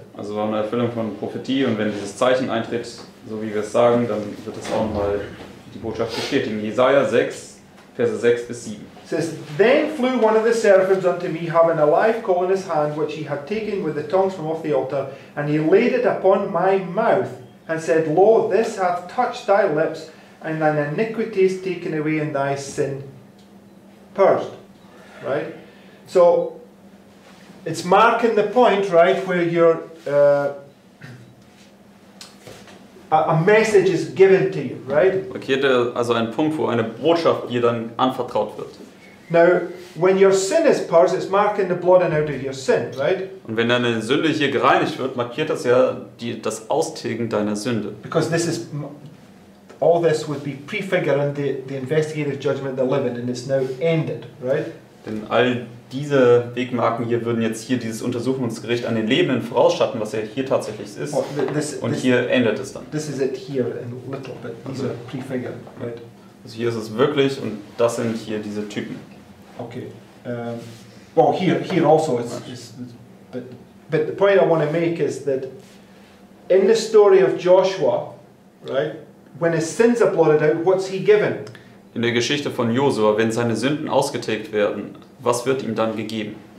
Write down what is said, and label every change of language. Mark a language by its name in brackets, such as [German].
[German] Also eine Erfüllung von Prophetie, und wenn dieses Zeichen eintritt, so wie wir es sagen, dann wird es auch mal die Botschaft bestätigen. Jesaja 6, Verse 6 bis 7. [English] Says, then flew one of the seraphims unto me, having a live coal in his hand, which he had taken with the tongs from off the altar, and he laid it upon my mouth, and said, lo, this hath touched thy lips, and thine iniquity is taken away, and thy sin purged. Right? So, it's marking the point, right, where you're, a message is given to you, right? [German] Okay, also ein Punkt, wo eine Botschaft dir dann anvertraut wird. [English] Now, when your sin is purged, it's marking the blood out of your sin, right? [German] Und wenn deine Sünde hier gereinigt wird, markiert das ja die, das Austilgen deiner Sünde. [English] Because this is, all this would be prefiguring the investigative judgment of the living, and it's now ended, right? [German] Denn all diese Wegmarken hier würden jetzt hier dieses Untersuchungsgericht an den Lebenden vorausschatten, was ja hier tatsächlich ist. [English] Oh, this, [German] und [English] this, [German] hier endet es dann. [English] This is it here in a little bit. These are prefigured, right? [German] Also hier ist es wirklich, und das sind hier diese Typen. [English] Okay. Well, here also is but the point I want to make is that in the story of Joshua, right, when his sins are blotted out, what's he given? [German] In der Geschichte von Josua, wenn seine Sünden ausgetilgt werden, was wird ihm dann gegeben?